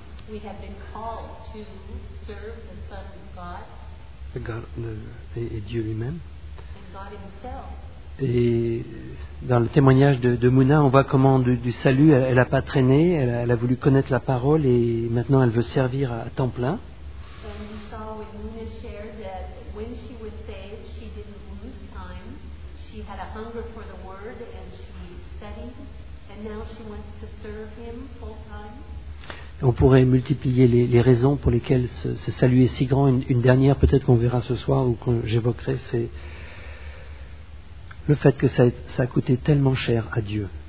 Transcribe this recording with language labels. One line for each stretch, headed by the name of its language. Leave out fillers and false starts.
English: We have been called to serve the Son of God. The God,
French: et Dieu lui-même.
English: And God himself.
French: Et dans le témoignage de Mouna, on voit comment du salut, elle n'a pas traîné, elle a voulu connaître la parole et maintenant elle veut servir à temps plein.
English: And we saw with Mouna shared that when she was saved, she didn't lose She had a hunger for the word and she studied, and now she wants to serve him full time.
French: On pourrait multiplier les raisons pour lesquelles ce salut est si grand. Une dernière, peut-être qu'on verra ce soir ou que j'évoquerai, c'est le fait que ça a coûté tellement cher à Dieu.